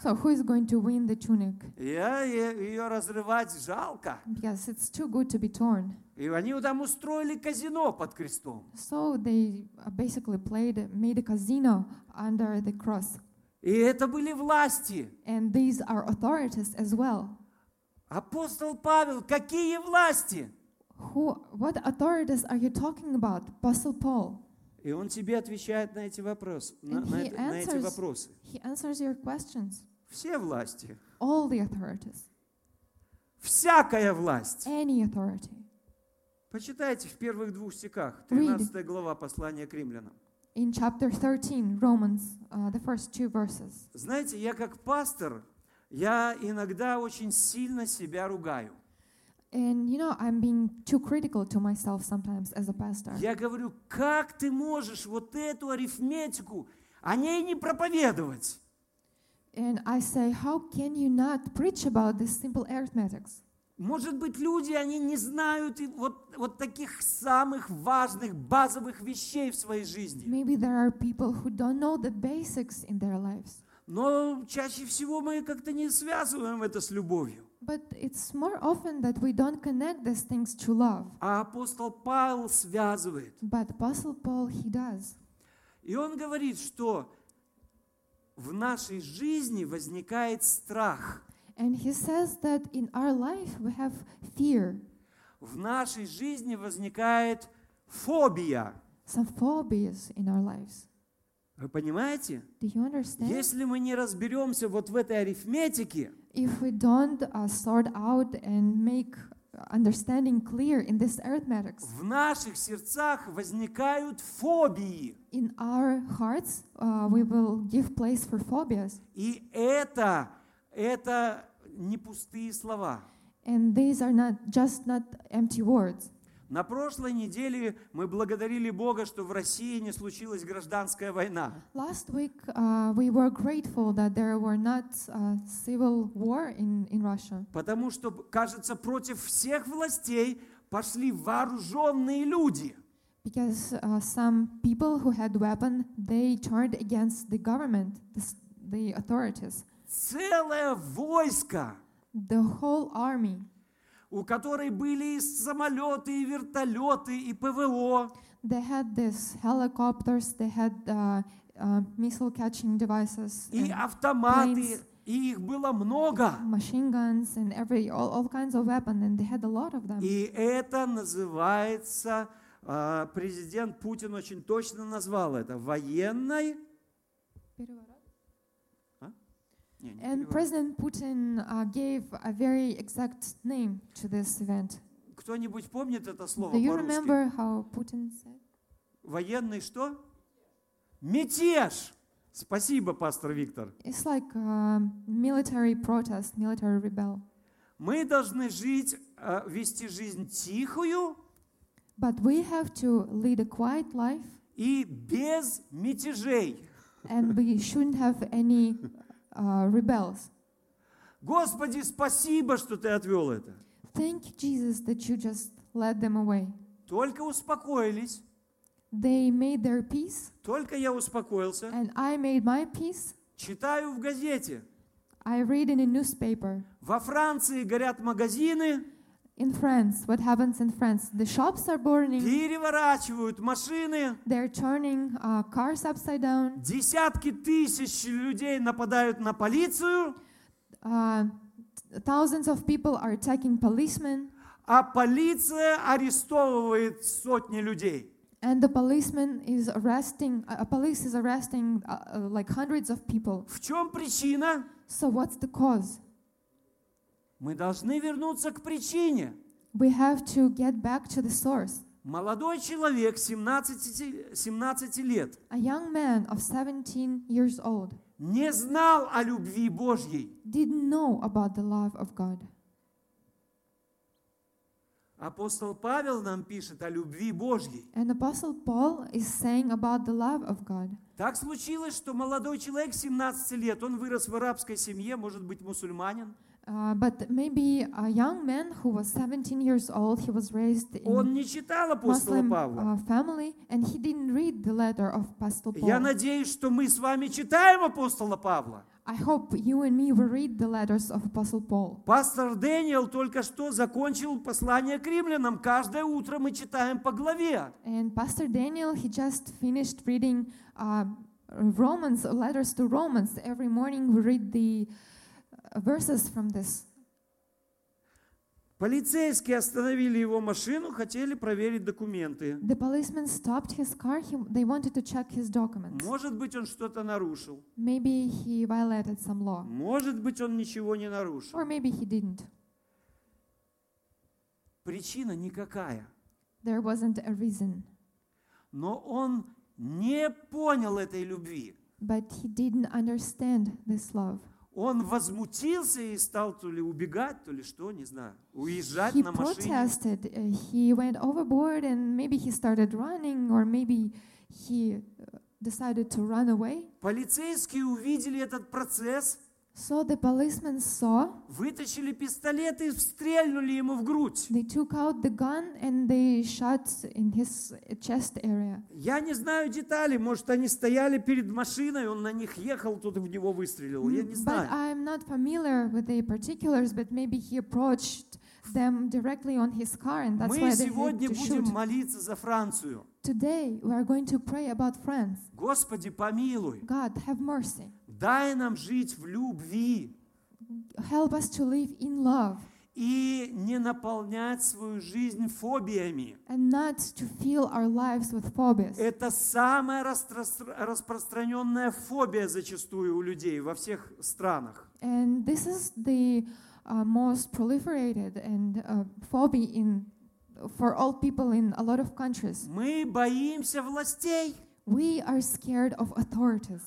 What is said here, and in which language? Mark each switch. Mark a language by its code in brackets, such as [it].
[en] So who is going to win the tunic? [ru] Ее разрывать жалко. [en] Because it's too good to be torn. [ru] И они там устроили казино под крестом. [en] So they basically made a casino under the cross. [ru] И это были власти. [en] And these are authorities as well. [ru] Апостол Павел, какие власти? [en] What authorities are you talking about, Apostle Paul? [ru] И он тебе отвечает на эти вопросы. На эти вопросы. [en] He answers your questions. [ru] Все власти. [en] All the authorities. [ru] Всякая власть. [en] Any authority. [ru] Почитайте в первых двух стихах. 13 глава послания к римлянам. [en] In chapter 13, Romans, the first two verses. [ru] Знаете, я как пастор, я иногда очень сильно себя ругаю. [en] And you know, I'm being too critical to myself sometimes as a pastor. [ru] Я говорю, как ты можешь вот эту арифметику о ней не проповедовать? [en] And I say, how can you not preach about these simple arithmetics? [ru] Может быть, люди, они не знают вот таких самых важных базовых вещей в своей жизни. [en] Maybe there are people who don't know the basics in their lives. [ru] Но чаще всего мы как-то не связываем это с любовью. [en] But it's more often that we don't connect these things to love. [ru] А апостол Павел связывает. [en] But Apostle Paul, he does. [ru] И он говорит, что в нашей жизни возникает страх. [en] And he says that in our life we have fear. [ru] В нашей жизни возникает фобия. [en] Some phobias in our lives. [ru] Вы понимаете? [en] Do you understand? [ru] Если мы не разберемся вот в этой арифметике, [en] if we don't sort out and make understanding clear in this arithmetic, [ru] в наших сердцах возникают фобии. [en] In our hearts, we will give place for phobias. [ru] И это не пустые слова. [en] And these are not empty words. [ru] На прошлой неделе мы благодарили Бога, что в России не случилась гражданская война. [en] Last week we were grateful that there were not civil war in Russia. [ru] Потому что, кажется, против всех властей пошли вооруженные люди. [en] Because some people who had weapon, they turned against the government, the authorities. [ru] Целое войско. [en] The whole army. [ru] У которой были и самолеты, и вертолеты, и ПВО. [en] They had these helicopters, they had missile-catching devices. [ru] И автоматы, и их было много. [en] Machine guns and all kinds of weapons, and they had a lot of them. [ru] И это называется, президент Путин очень точно назвал это военной. [en] And President Putin gave a very exact name to this event. [ru] Кто-нибудь помнит это слово по-русски? [en] Do you remember how Putin said? [ru] Военный что? Мятеж! Спасибо, пастор Виктор. [en] It's like a military protest, military rebel. [ru] Мы должны вести жизнь тихую. [en] But we have to lead a quiet life. [ru] И без мятежей. [en] And we shouldn't have any rebels. [ru] Господи, спасибо, что ты отвел это. [en] Thank you, Jesus, that you just led them away. [ru] Только успокоились. [en] They made their peace. [ru] Только я успокоился. [en] And I made my peace. [ru] Читаю в газете. [en] I read in a newspaper. [ru] Во Франции горят магазины. [en] In France, what happens in France? The shops are burning. [ru] Переворачивают машины. [en] They're turning cars upside down. [ru] Десятки тысяч людей нападают на полицию. [en] Thousands of people are attacking policemen. [ru] А полиция арестовывает сотни людей. [en] And the policeman is arresting, police is arresting like hundreds of people. [ru] В чем причина? [en] So what's the cause? [ru] Мы должны вернуться к причине. [en] We have to get back to the source. [ru] Молодой человек, 17 лет. [en] A young man of 17 years old. [ru] Не знал о любви Божьей. [en] Didn't know about the love of God. [ru] Апостол Павел нам пишет о любви Божьей. [en] And Apostle Paul is saying about the love of God. [ru] Так случилось, что молодой человек 17 лет, он вырос в арабской семье, может быть, мусульманин. [en] But maybe a young man who was 17 years old, he was raised in a Muslim family, and he didn't read the letter of Apostle Paul. [ru] Я надеюсь, что мы с вами читаем апостола Павла. [en] I hope you and me will read the letters of Apostle Paul. [ru] Пастор Дэниел только что закончил послание к римлянам. Каждое утро мы читаем по главе. [en] And Pastor Daniel, he just finished reading Romans, letters to Romans. Every morning we read the verses from this. [ru] Полицейские остановили его машину, хотели проверить документы. [en] The policeman stopped his car. They wanted to check his documents. [ru] Может быть, он что-то нарушил. [en] Maybe he violated some law. [ru] Может быть, он ничего не нарушил. [en] Or maybe he didn't. [ru] Причина никакая. [en] There wasn't a reason. [ru] Но он не понял этой любви. [en] But he didn't understand this love. [ru] Он возмутился и стал то ли убегать, то ли что, не знаю, уезжать [en] he [ru] на машине. [en] He protested. He went overboard and maybe he started running or maybe he decided to run away. [ru] Полицейские увидели этот процесс. [en] So the policemen saw. [ru] Вытащили пистолет и стрельнули ему в грудь. [en] They took out the gun and they shot in his chest area. [ru] Я не знаю деталей. Может, они стояли перед машиной, он на них ехал, тот в него выстрелил. Я не знаю. [en] But I'm not familiar with the particulars. But maybe he approached them directly on his car, and that's [ru] мы [en] why they had to [ru] сегодня будем молиться за Францию. [en] Today we are going to pray about France. [ru] Господи, помилуй. [en] God, have mercy. [ru] Дай нам жить в любви. [en] Help us to live in love. [ru] И не наполнять свою жизнь фобиями. [en] And not to fill our lives with phobias. [ru] Это самая распространенная фобия зачастую у людей во всех странах. [en] And this is the most proliferated and phobia in for all people in a lot of countries. [ru] Мы боимся властей. [en] We are scared of authorities.